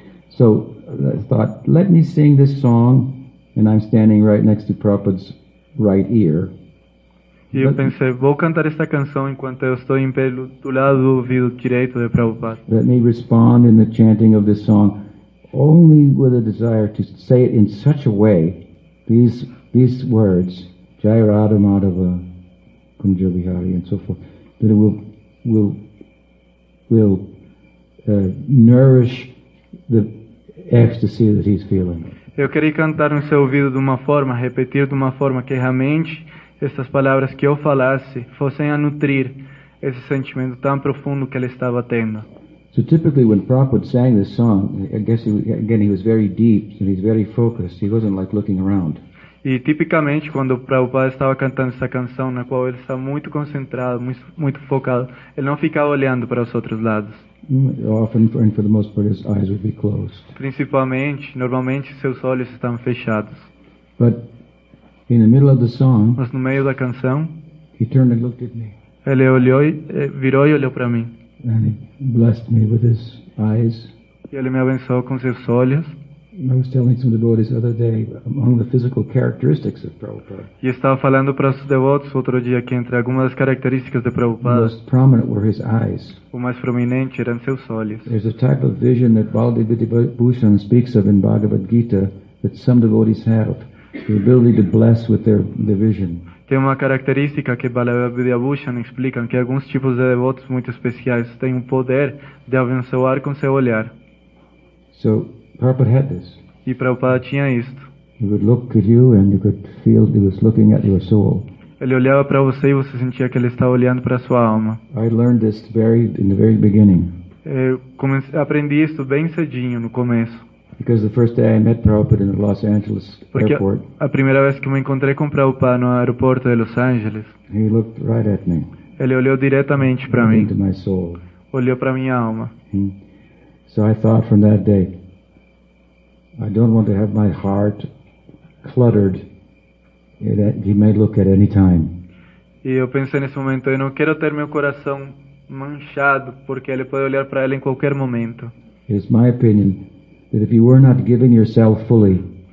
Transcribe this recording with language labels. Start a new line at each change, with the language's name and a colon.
English: So I thought, let me sing this song, and I'm standing right next to Prabhupada's right ear.
Portuguese: E eu pensei, vou cantar esta canção enquanto eu estou em pé do lado do ouvido direito de Prabhupada.
English: Let me respond in the chanting of this song only with a desire to say it in such a way, these words, Jai Radha Madhava, Kunja Vihari, and so forth, that it will nourish the ecstasy that he's feeling.
Portuguese: Eu queria cantar no seu ouvido de uma forma, repetir de uma forma que realmente essas palavras que eu falasse fossem a nutrir esse sentimento tão profundo que ele estava tendo.
English: So typically when Prabhupada sang this song, I guess he was very deep and he's very focused. He wasn't like looking around.
Portuguese: E tipicamente quando o Prabhupada estava cantando essa canção na qual ele estava muito concentrado, muito focado, ele não ficava olhando para os outros lados.
English: Often and for the most part his eyes would be closed.
Portuguese: Principalmente, normalmente seus olhos estavam fechados.
English: But in the middle of the song,
Portuguese: mas no meio da canção,
English: he turned and looked at me.
Portuguese: Ele olhou e virou e olhou para mim.
English: And he blessed me with his eyes.
Portuguese: E ele me abençoou com seus olhos.
English: I was telling some devotees the other day among the physical characteristics of Prabhupada.
Portuguese: E estava falando para os devotos outro dia que entre algumas das características de Prabhupada,
English: the most prominent were his eyes.
Portuguese: O mais prominente eram seus olhos.
English: There's a type of vision that Baldevati Bhushan speaks of in Bhagavad Gita that some devotees have, the ability to bless with their vision.
Portuguese: Tem uma característica que Baldevati Bhushan explica que alguns tipos de devotos muito especiais têm o poder de abençoar com seu olhar.
English: So Prabhupada had this.
Portuguese: E Prabhupada tinha isto.
English: He would look at you and you could feel he was looking at your soul.
Portuguese: Ele olhava para você e você sentia que ele estava olhando para sua alma.
English: I learned this in the very beginning.
Portuguese: Aprendi isto bem cedinho no começo.
English: Because the first day I met Prabhupada in the Los Angeles airport.
Portuguese: A primeira vez que me encontrei com Prabhupada no aeroporto de Los Angeles.
English: He looked right at me.
Portuguese: Ele olhou diretamente para mim.
English: Into my soul.
Portuguese: Olhou para minha alma.
English: So I thought from that day, I don't want to have my heart cluttered that he may look at any time.
Portuguese: E eu pensei nesse momento, eu não quero ter meu coração manchado porque ele pode olhar para ele em qualquer momento.
English: It's my opinion that if you were not giving yourself fully,